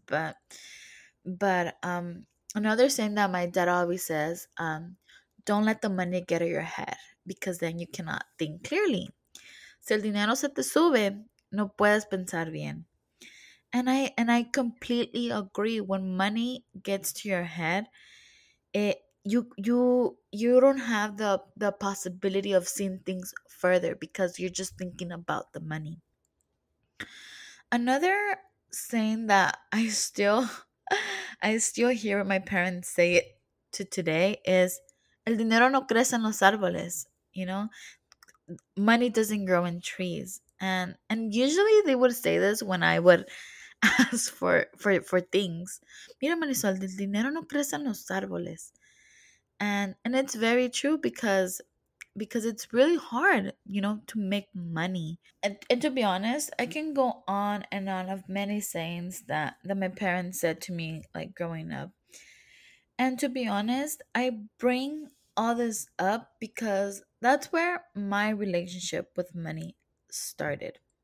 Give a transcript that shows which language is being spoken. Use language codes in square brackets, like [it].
[en] But another saying that my dad always says, don't let the money get in your head, because then you cannot think clearly. [es] Si el dinero se te sube, no puedes pensar bien. [en] And I completely agree. When money gets to your head, you don't have the possibility of seeing things further, because you're just thinking about the money. Another saying that I still hear my parents say it to today is, [es] el dinero no crece en los árboles, [en] you know? Money doesn't grow in trees. And usually they would say this when I would ask for things. [es] Mira, Marisol, el dinero no crece en los árboles. [en] And it's very true, because it's really hard, you know, to make money. And to be honest, I can go on and on of many sayings that my parents said to me, like, growing up. And to be honest, I bring all this up because that's where my relationship with money started.